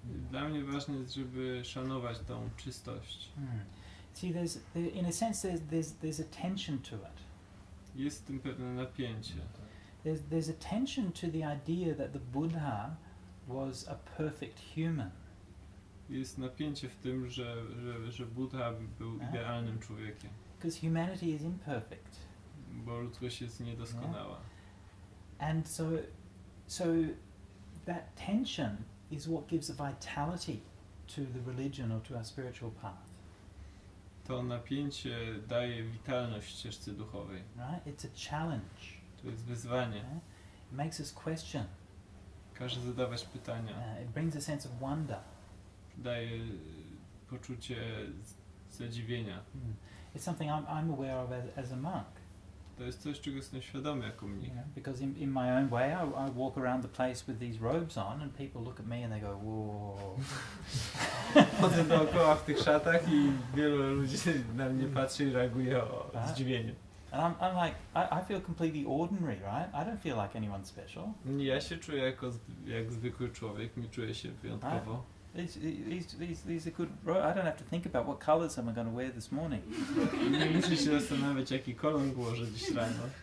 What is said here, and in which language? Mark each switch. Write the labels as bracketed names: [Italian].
[Polish] Dla mnie ważne jest, żeby szanować tą czystość. [English] See, there's a tension to it. [Polish] Jest w tym pewne napięcie. [English] There's a tension to the idea that the Buddha was a perfect human. [Polish] Jest napięcie w tym, że Buddha był idealnym człowiekiem. [English] Because humanity is imperfect. [Polish] Bo ludzkość jest niedoskonała. [English] Yeah. And so that tension is what gives a vitality to the religion or to our spiritual path. [Polish] To napięcie daje witalność ścieżce duchowej. [English] Right? It's a challenge. [Polish] To jest wyzwanie. [English] It makes us question. [Polish] Każe zadawać pytania. [English] It brings a sense of wonder. [Polish] Daje poczucie zadziwienia. [English] It's something I'm aware of as a monk. [Polish] To jest coś, czego jestem świadomy jako mnich. [English] You know, because in my own way, I walk around the place with these robes on and people look at me and they go, whoa. [Polish] Chodzę dookoła w tych szatach i wielu ludzi na mnie patrzy i reaguje z zdziwieniem. [English] And I'm like, I feel completely ordinary, right? I don't feel like anyone special. [Polish] Ja się czuję jako jak zwykły człowiek, nie czuję się wyjątkowo. [English] These are good robes. I don't have to think about what colors am I going to wear this morning. [Polish] Nie muszę się zastanawiać, jaki kolor włożę dziś rano.